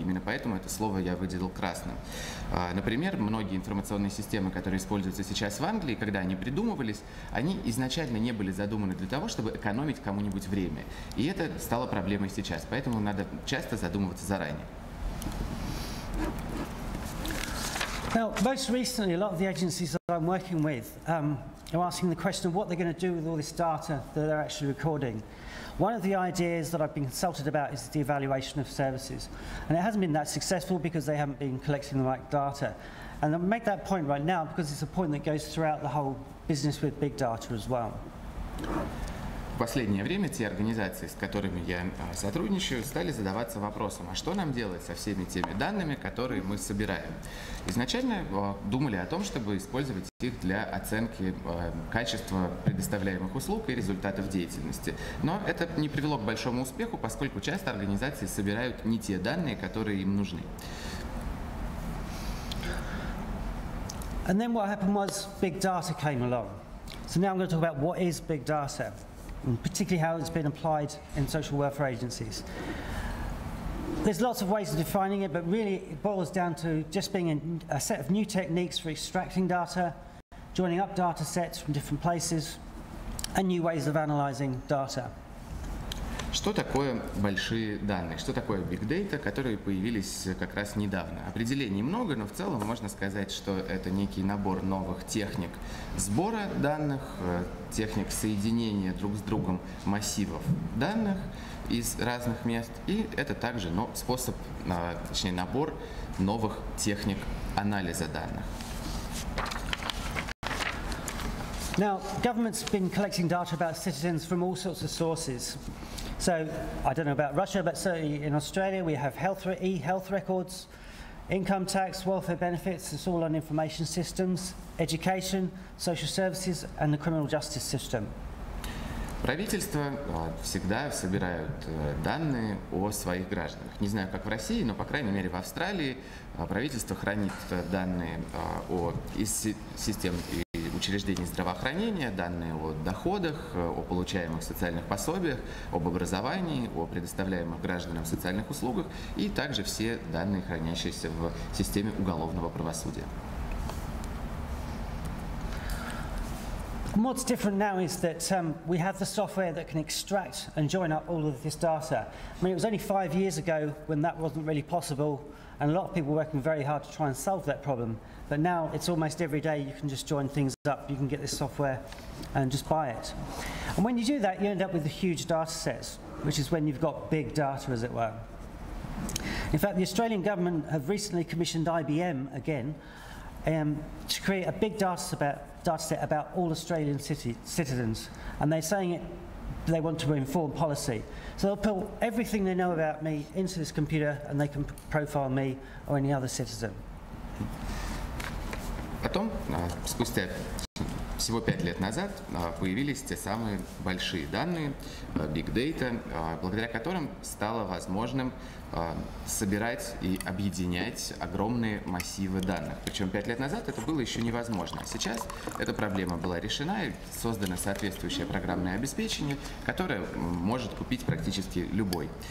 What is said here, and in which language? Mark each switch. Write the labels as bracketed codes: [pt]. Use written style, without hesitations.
[ru] Именно поэтому это слово я выделил красным. Например, многие информационные системы, которые используются сейчас в Англии, когда они придумывались, они изначально не были задуманы для того, чтобы экономить кому-нибудь время. И это стало проблемой сейчас. Поэтому надо часто задумываться заранее. [en] Now, most recently, a lot of the agencies that I'm working with are asking the question of what they're going to do with all this data that they're actually recording. One of the ideas that I've been consulted about is the evaluation of services. And it hasn't been that successful because they haven't been collecting the right data. And I'll make that point right now because it's a point that goes throughout the whole business with big data as well. [ru] В последнее время те организации, с которыми я сотрудничаю, стали задаваться вопросом, а что нам делать со всеми теми данными, которые мы собираем? Изначально думали о том, чтобы использовать их для оценки качества предоставляемых услуг и результатов деятельности. Но это не привело к большому успеху, поскольку часто организации собирают не те данные, которые им нужны. [en] And then what happened was big data came along. So now I'm going to talk about what is big data. And particularly how it's been applied in social welfare agencies. There's lots of ways of defining it, but really it boils down to just being a set of new techniques for extracting data, joining up data sets from different places, and new ways of analyzing data. [ru] Что такое большие данные? Что такое big data, которые появились как раз недавно? Определений много, но в целом можно сказать, что это некий набор новых техник сбора данных, техник соединения друг с другом массивов данных из разных мест, и это также способ, точнее набор новых техник анализа данных. [en] Now, government's been collecting data about citizens from all sorts of sources. So, I don't know about Russia, but certainly in Australia, we have health e-health records, income tax, welfare benefits, it's all on information systems, education, social services, and the criminal justice system. [ru] Правительства всегда собирают данные о своих гражданах. Не знаю, как в России, но, по крайней мере, в Австралии правительство хранит данные из систем и учреждений здравоохранения, данные о доходах, о получаемых социальных пособиях, об образовании, о предоставляемых гражданам социальных услугах и также все данные, хранящиеся в системе уголовного правосудия. [en] And what's different now is that we have the software that can extract and join up all of this data. I mean, it was only 5 years ago when that wasn't really possible, and a lot of people were working very hard to try and solve that problem. But now it's almost every day you can just join things up, you can get this software and just buy it. And when you do that, you end up with the huge data sets, which is when you've got big data, as it were. In fact, the Australian government have recently commissioned IBM again to create a big data set about all Australian citizens, and they're saying they want to inform policy. So they'll put everything they know about me into this computer and they can profile me or any other citizen. [ru] Потом, спустя всего 5 лет назад, появились те самые большие данные, big data, благодаря которым стало возможным собирать и объединять огромные массивы данных. Причем 5 лет назад это было еще невозможно. Сейчас эта проблема была решена и создано соответствующее программное обеспечение, которое может купить практически любой.